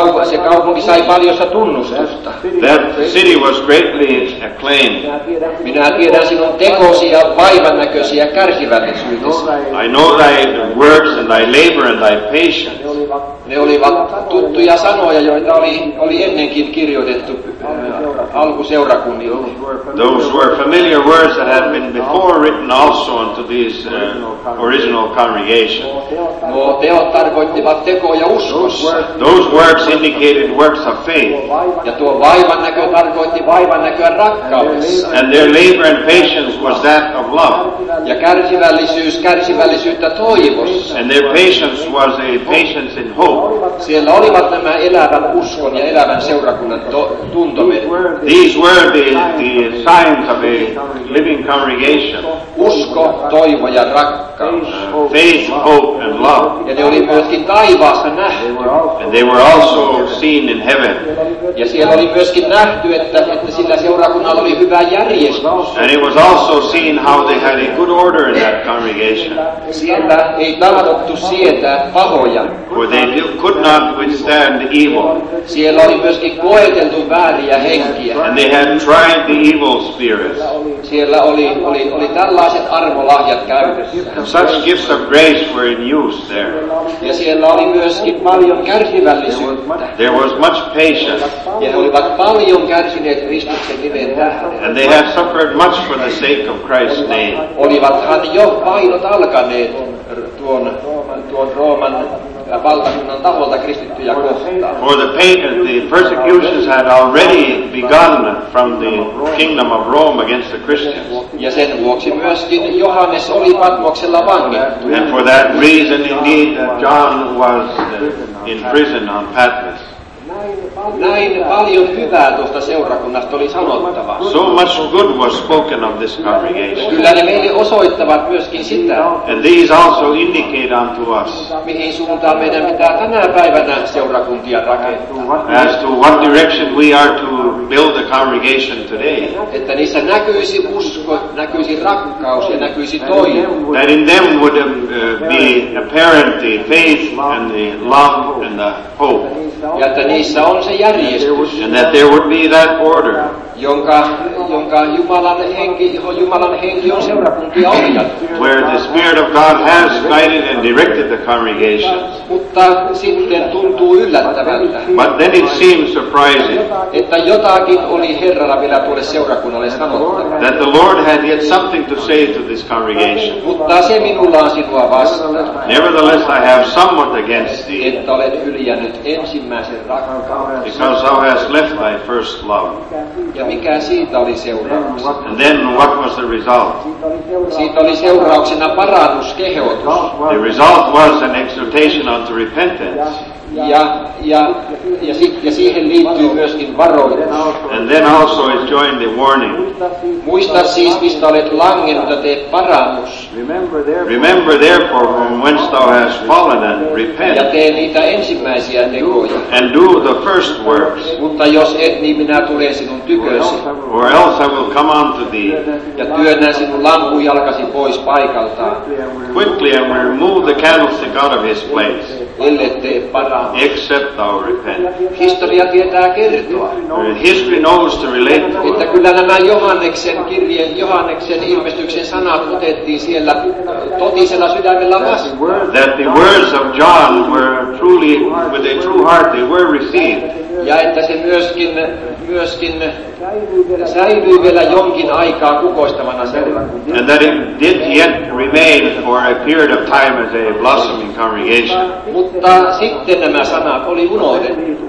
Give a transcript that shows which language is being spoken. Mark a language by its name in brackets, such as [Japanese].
[Finnish] Se kaupunki sai paljossa tunnustusta. [English] That city was greatly acclaimed. [Finnish] Minä tiedän sinun tekosi ja vaivannäkösi ja kärsivällisyydesi. [English] I know thy works and thy labor and thy patience. [Finnish] Ne olivat tuttuja sanoja, joita oli ennenkin kirjoitettu alkuseurakunnille. [English] Those were familiar words that had been before written also unto these original congregation. [Finnish] Nuo teot tarkoittivat tekoja uskossa. [English] Those works indicated works of faith. [Finnish] Ja tuo vaivannäkö tarkoitti vaivannäköä rakkaudessa. [English] And their labor and patience was that of love. [Finnish] Ja kärsivällisyys kärsivällisyyttä toivossa. [English] And their patience was a patience in hope. [Finnish] Siellä olivat nämä elävän uskon ja elävän seurakunnan tuntomerkit. [English] These were the signs of a living congregation. [Finnish] Usko, toivo ja rakkaus. [English] Faith, hope and love. [Finnish] Ja ne olivat myöskin taivaassa nähty. [English] And they were also seen in heaven. [Finnish] Ja siellä oli myöskin nähty, että sillä seurakunnalla oli hyvä järjestys. [English] And it was also seen how they had a good order in that congregation. [Finnish] Siellä ei tahdottu sietää pahoja. [English] They could not withstand the evil. [Finnish] Siellä oli myöskin koeteltu vääriä henkiä. [English] And they had tried the evil spirits. [Finnish] Siellä oli tällaiset arvolahjat käytössä. [English] Such gifts of grace were in use there. [Finnish] Ja siellä oli myöskin paljon kärsivällisyyttä. [English] There was much patience. [Finnish] Ja he olivat paljon kärsineet Kristuksen nimen tähden. [English] And they had suffered much for the sake of Christ's name. [Finnish] Olivathan jo painot alkaneet tuon Rooman valtakunnan taholta kristittyjä kohtaan. [English] For the pagans, the persecutions had already begun from the kingdom of Rome against the Christians. [Finnish] Ja sen vuoksi myöskin Johannes oli Patmoksella vangittu. [English] And for that reason indeed John was in prison on Patmos. [Finnish] Näin paljon hyvää tuosta seurakunnasta oli sanottava. [English] So much good was spoken of this congregation. [Finnish] Kyllä ne meille osoittavat myöskin sitä. [English] And these also indicate unto us. [Finnish] Mihin suuntaan meidän pitää tänä päivänä seurakuntia rakentaa. [English] As to what direction we are to build the congregation today. [Finnish] Että niissä näkyisi usko, näkyisi rakkaus ja näkyisi toivo. [English] That in them would be apparent the faith and the love and the hope. [Finnish] Ja että niissä on se järjestys. [English] And that there would be that order. [Finnish] Jonka Jumalan henki on seurakuntia ohjattu. [English] Where the Spirit of God has guided and directed the congregation. [Finnish] Mutta sitten tuntuu yllättävältä. [English] But then it seems surprising. [Finnish] Että jotakin oli Herralla vielä tuolle seurakunnalle sanottava. [English] That the Lord had yet something to say to this congregation. [Finnish] Mutta se minulla on sinua vastaan. [English] Nevertheless I have somewhat against thee. [Finnish] Että olet hyljännyt ensimmäisen rakkauden. [English] Because thou hast left thy first love. [Finnish] Ja mikä siitä oli seuraus? [English] And then what was the result? [Finnish] Siitä oli seurauksena parannuskehotus. [English] The result was an exhortation unto repentance. [Finnish] Ja siihen liittyy myöskin varoitus. [English] And then also is joined the warning. [Finnish] Muista siis, mistä olet langennut, tee parannus. [English] Remember therefore from whence thou hast fallen and repent. [Finnish] Ja tee niitä ensimmäisiä tekoja. [English] And do the first works. [Finnish] Mutta jos et, niin minä tulen sinun tykösi. [English] Or else I will come unto thee. [Finnish] Ja työnnän sinun lampujalkasi pois paikalta. [English] Quickly and remove the candlestick out of his place. Except thou repent. [Finnish] Historia tietää kertoa. [English] History knows to relate. [Finnish] Että kyllä nämä Johanneksen kirjeen, Johanneksen ilmestyksen sanat otettiin siellä totisella sydämellä vastaan. [English] That the words of John were truly, with a true heart, they were received. [Finnish] Ja että se myöskin säilyy vielä jonkin aikaa kukoistavana seurakunnassa. [English] And that it did yet remain for a period of time as a blossoming congregation. [Finnish] Mutta sitten nämä sanat oli unohdettu.